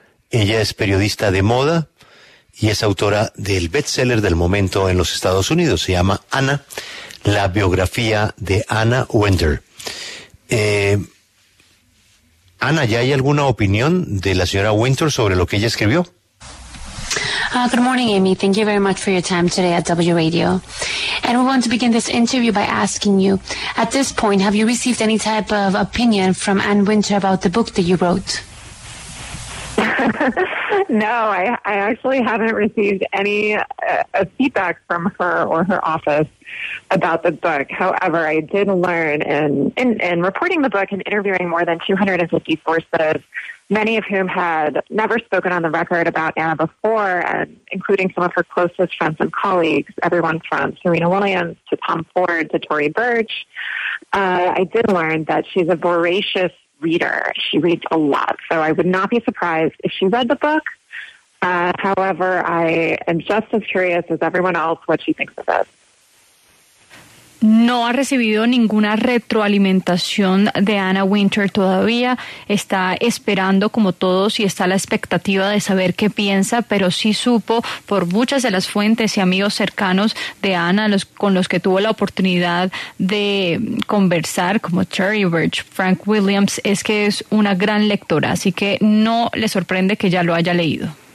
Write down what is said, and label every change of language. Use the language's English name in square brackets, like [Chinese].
[Spanish] Ella es periodista de moda y es autora del bestseller del momento en los Estados Unidos. Se llama Anna, la biografía de Anna Wintour. Anna, ¿ya hay alguna opinión de la señora Wintour sobre lo que ella escribió? [English] Good morning, Amy. Thank you very much for your time today at W Radio. And we want to begin this interview by asking you, at this point, have you received any type of opinion from Anne Wintour about the book that you wrote? No, I actually haven't received any feedback from her or her office about the book. However, I did learn in reporting the book and interviewing more than 250 sources, many of whom had never spoken on the record about Anna before, and including some of her closest friends and colleagues, everyone from Serena Williams to Tom Ford to Tory Burch. I did learn that she's a voracious reader. She reads a lot, so I would not be surprised if she read the book. However, I am just as curious as everyone else what she thinks of it. [Spanish] No ha recibido ninguna retroalimentación de Anna Wintour todavía. Está esperando, como todos, y está a la expectativa de saber qué piensa, pero sí supo por muchas de las fuentes y amigos cercanos de Anna, con los que tuvo la oportunidad de conversar, como Tory Burch, Frank Williams, es que es una gran lectora, así que no le sorprende que ya lo haya leído.